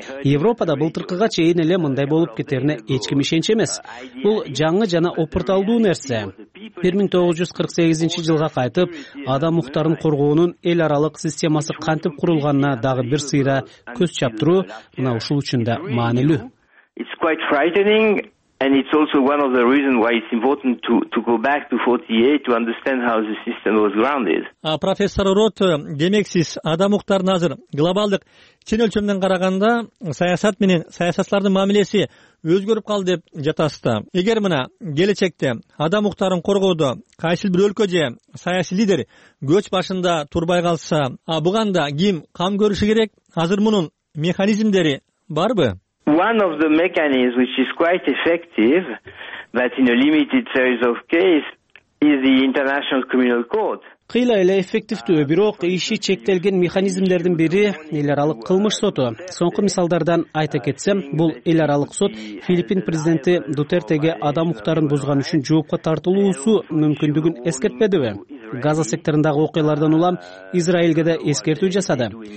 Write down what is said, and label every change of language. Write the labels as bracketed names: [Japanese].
[Kyrgyz] Европада былтыркыга чейин эле мындай болуп кетерине эч ким ишенч эмес. Бул жаңы жана опурталдуу нерсе. 1948 жылга кайтып, адам укуктарын коргоонун эл аралык системасы кантип курулганына дагы бир сыйра көз чаптыруу мына ушул үчүн да маанилүү. [English] It's quite frightening. And it's also one of the reasons why it's important to go back to 48 to understand how the system was grounded. [Kyrgyz] А профессор Рот, демек сиз адам укуктарын азыр глобалдык чин өлчөмдөн караганда саясат менен саясатчылардын мамилеси өзгөрүп калды деп жатасыз да. Эгер мына келечекте адам укуктарын коргоодо кайсыл бир өлкө же саясий лидер көч башында турбай калса, а буган да ким кам көрүшү керек? Азыр мунун механизмдери барбы? [English] One of the mechanisms which is quite effective, but in a limited series of cases, is the International Criminal Court. [Kyrgyz] Кыйла эле эффективдүү, бирок иши чектелген механизмдердин бири эл аралык кылмыш соту. Соңку мисалдардан айта кетсем, бул эл аралык сот Филиппин президенти Дутертеге адам укуктарын бузган үчүн жоопко тартылуусу мүмкүндүгүн эскертпедиби? Газа секторундагы окуялардан улам Израилге да эскертүү жасады.